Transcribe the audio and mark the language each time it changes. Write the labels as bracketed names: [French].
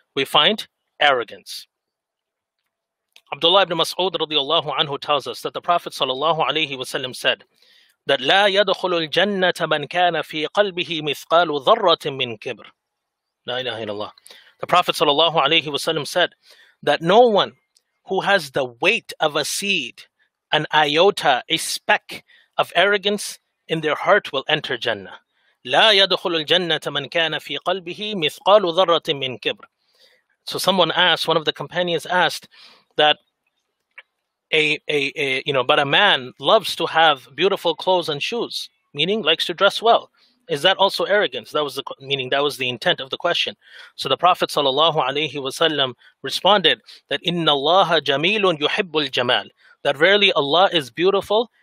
[English] We find arrogance. Abdullah ibn Mas'ud radiallahu anhu tells us that the Prophet sallallahu alayhi wasallam said that [Arabic] لا يدخل الجنة من كان في قلبه مثقال ذرة من كبر. لا إله إلا الله. [English] The Prophet sallallahu alayhi wasallam said that no one who has the weight of a seed, an iota, a speck of arrogance in their heart will enter Jannah. [Arabic] لا يدخل الجنة من كان في قلبه مثقال ذرة من كبر. [English] So someone asked, one of the companions asked, that but a man loves to have beautiful clothes and shoes, meaning likes to dress well. Is that also arrogance? That was the meaning. That was the intent of the question. So the Prophet sallallahu alaihi wasallam responded that [Arabic] Inna Allaha Jamilun Yuhibbul Jamal. [English] That verily Allah is beautiful